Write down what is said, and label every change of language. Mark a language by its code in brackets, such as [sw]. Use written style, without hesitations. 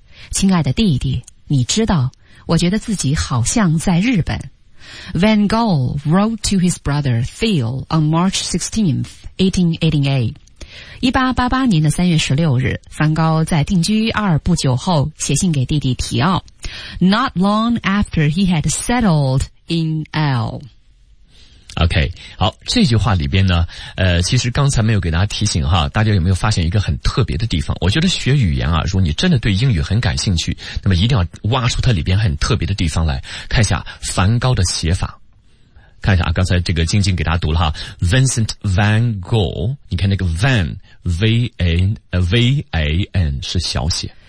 [zh] 亲爱的弟弟，你知道，我觉得自己好像在日本。 [en] Van Gogh wrote to his brother Theo on March 16th, 1888. [zh] 1888年的3月16日，梵高在定居阿尔不久后写信给弟弟提奥。 [en] Not long after he had settled in L. [zh] OK， 好，这句话里边呢，其实刚才没有给大家提醒哈，大家有没有发现一个很特别的地方？我觉得学语言啊，如果你真的对英语很感兴趣，那么一定要挖出它里边很特别的地方来，看一下梵高的写法。看一下啊，刚才这个晶晶给大家读了哈 ，Vincent Van Gogh， 你看那个 Van V-A-N 是小写。